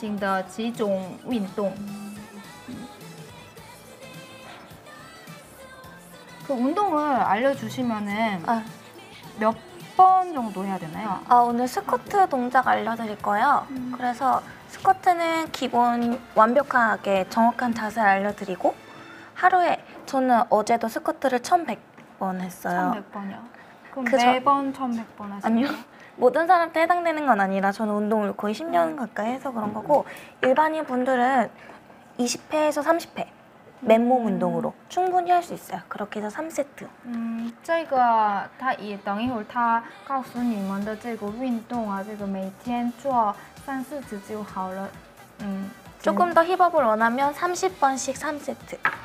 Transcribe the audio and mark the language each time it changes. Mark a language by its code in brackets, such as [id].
[zh] 你们知道那个健身的那个小动作吗？就是在运动health club里那个进行的几种运动。 [ko] 그 운동을 알려주시면은 몇 번 정도 해야 되나요? 오늘 스쿼트 동작 알려드릴 거예요. 그래서 스쿼트는 기본 완벽하게 정확한 자세 알려드리고 하루에 저는 어제도 스쿼트를 1,100번 했어요. 1,100번이요? 그럼 그 매번 1,100번 하세요? 아니요. 모든 사람한테 해당되는 건 아니라 저는 운동을 거의 10년 가까이 해서 그런 거고 일반인 분들은 20회에서 30회 맨몸 운동으로 충분히 할 수 있어요. 그렇게 해서 3세트. [zh] 这个他也等一会儿他告诉你们的这个运动啊这个每天做三四次就好了 [ko] 조금 더 힙업을 원하면 30번씩 3세트.